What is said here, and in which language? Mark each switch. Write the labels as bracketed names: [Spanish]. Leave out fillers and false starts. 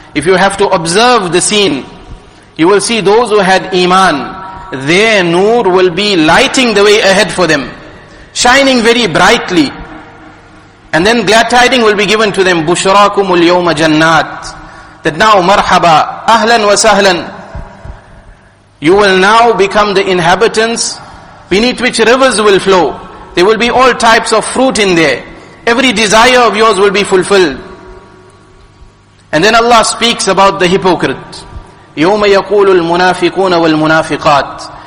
[English] If you have to observe the scene, you will see those who had iman, their nur will be lighting the way ahead for them, shining very brightly. And then glad tiding will be given to them, [Arabic] بُشْرَاكُمُ الْيَوْمَ جَنَّاتِ. [English] That now, [Arabic] مَرْحَبًا أَهْلًا وَسَهْلًا. [English] You will now become the inhabitants beneath which rivers will flow. There will be all types of fruit in there. Every desire of yours will be fulfilled. And then Allah speaks about the hypocrite. [Arabic] يَوْمَ يَقُولُ الْمُنَافِقُونَ وَالْمُنَافِقَاتِ.